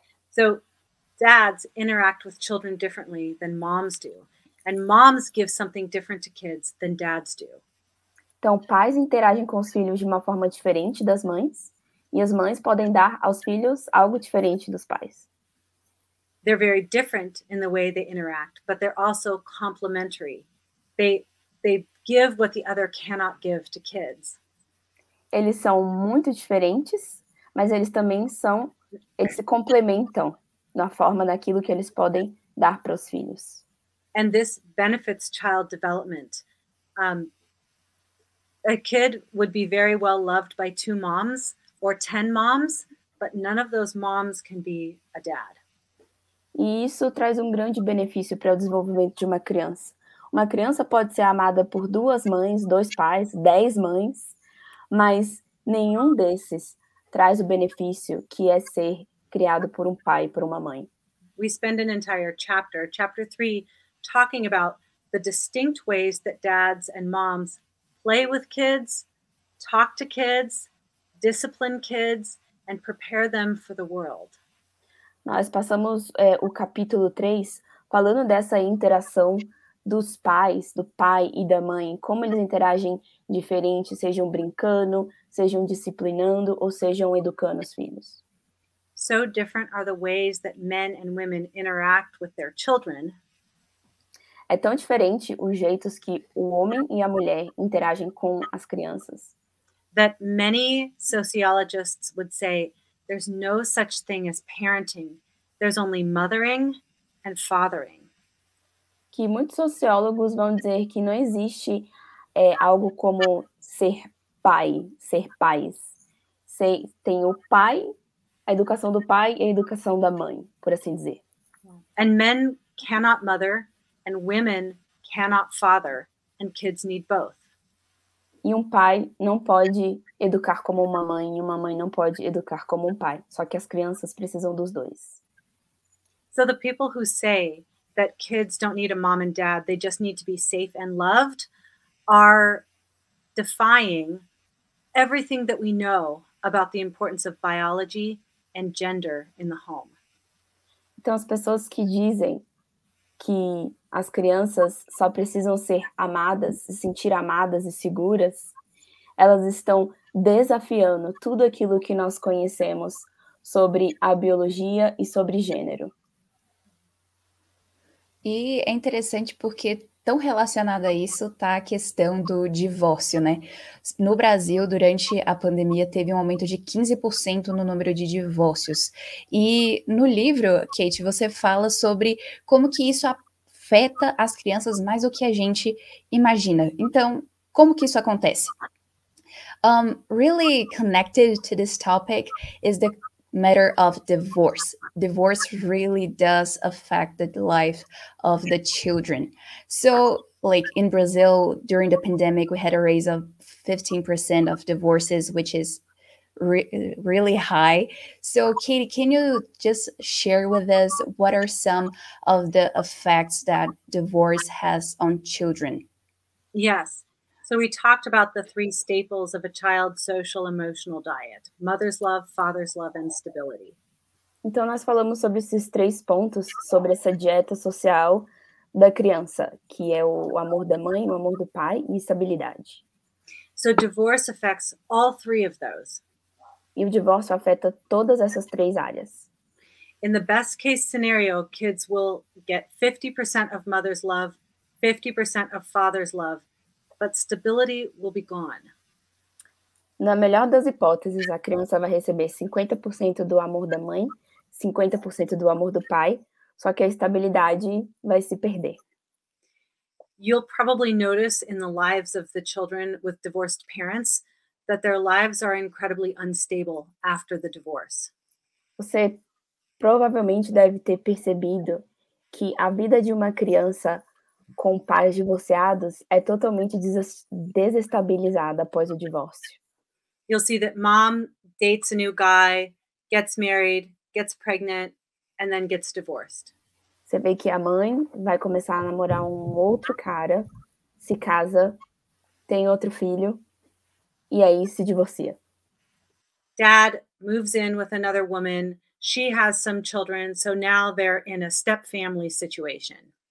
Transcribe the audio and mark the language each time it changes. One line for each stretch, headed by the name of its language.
English: So, dads interact with children differently than moms do, and moms give something different to kids than dads do.
Portuguese: Então, pais interagem com os filhos de uma forma diferente das mães, e as mães podem dar aos filhos algo diferente dos pais.
English: They're very different in the way they interact, but they're also complementary. They give what the other cannot give to kids.
Portuguese: Eles são muito diferentes, mas eles também são, eles se complementam na forma daquilo que eles podem dar para os filhos.
English: And this benefits child development. A kid would be very well loved by two moms or 10 moms, but none of those moms can be a dad.
Portuguese: E isso traz um grande benefício para o desenvolvimento de uma criança. Uma criança pode ser amada por duas mães, dois pais, 10 mães, mas nenhum desses traz o benefício que é ser criado por um pai, por uma mãe.
English: We spend an entire chapter, chapter 3, talking about the distinct ways that dads and moms play with kids, talk to kids, discipline kids, and prepare them for the world.
Portuguese: Nós passamos o capítulo 3 falando dessa interação dos pais, do pai e da mãe, como eles interagem diferente, sejam brincando, sejam disciplinando ou sejam educando os filhos.
English: So different are the ways that men and women interact with their children.
Portuguese: É tão diferente os jeitos que o homem e a mulher interagem com as crianças.
English: That many sociologists would say there's no such thing as parenting. There's only mothering and fathering.
Portuguese: Que muitos sociólogos vão dizer que não existe algo como ser pai, ser pais. Tem o pai, a educação do pai e a educação da mãe, por assim dizer.
English: And men cannot mother and women cannot father, and kids need both.
Portuguese: E um pai não pode educar como uma mãe e uma mãe não pode educar como um pai, só que as crianças precisam dos dois.
English: So the people who say that kids don't need a mom and dad, they just need to be safe and loved, are defying everything that we know about the importance of biology and gender in the home.
Portuguese: Então, as pessoas que dizem que as crianças só precisam ser amadas, se sentir amadas e seguras, elas estão desafiando tudo aquilo que nós conhecemos sobre a biologia e sobre gênero. E é interessante porque tão relacionado a isso está a questão do divórcio, né? No Brasil, durante a pandemia, teve um aumento de 15% no número de divórcios. E no livro, Kate, você fala sobre como que isso afeta as crianças mais do que a gente imagina. Então, como que isso acontece?
English: Really connected to this topic is the matter of divorce. Divorce really does affect the life of the children. So, like in Brazil, during the pandemic, we had a raise of 15% of divorces, which is really high. So, Katie, can you just share with us what are some of the effects that divorce has on children? Yes. So we talked about the three staples of a child's social emotional diet: mother's love, father's love, and stability.
Portuguese: Então nós falamos sobre esses três pontos, sobre essa dieta social da criança, que é o amor da mãe, o amor do pai e estabilidade.
English: So divorce affects all three of those.
Portuguese: E o divórcio afeta todas essas três áreas.
English: In the best case scenario, kids will get 50% of mother's love, 50% of father's love. But stability will be gone.
Portuguese: Na melhor das hipóteses, a criança vai receber 50% do amor da mãe, 50% do amor do pai, só que a estabilidade vai se perder.
English: You'll probably notice in the lives of the children with divorced parents that their lives are incredibly unstable after the divorce.
Portuguese: Você provavelmente deve ter percebido que a vida de uma criança com pais divorciados é totalmente desestabilizada após o divórcio.
English: You'll see that mom dates a new guy, gets married, gets pregnant, and then gets divorced.
Portuguese: Você vê que a mãe vai começar a namorar um outro cara, se casa, tem outro filho, e aí se divorcia.
English: Dad moves in with another woman, she has some children, so now they're in a step-family situation.